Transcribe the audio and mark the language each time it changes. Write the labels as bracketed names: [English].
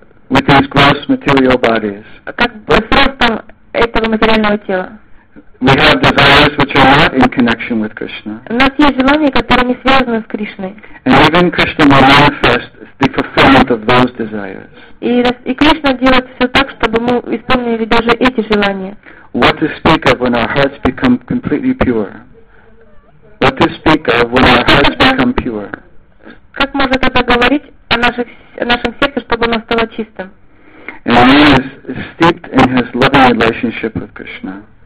[English] With these gross material bodies. [Russian] Как бы с ростом этого материального тела. [English] We have desires which are not in connection with Krishna. [Russian] У нас есть желания, которые не связаны с Кришной. [English] And even Krishna will manifest the fulfillment of those desires. [Russian] И Кришна делает все так, чтобы мы исполнили даже эти желания. [English] What to speak of when our hearts become completely pure? What to speak of when our hearts become pure? [Russian] Как может это говорить о нашем сердце, чтобы оно стало чистым? [English] And one is steeped in his loving relationship with Krishna.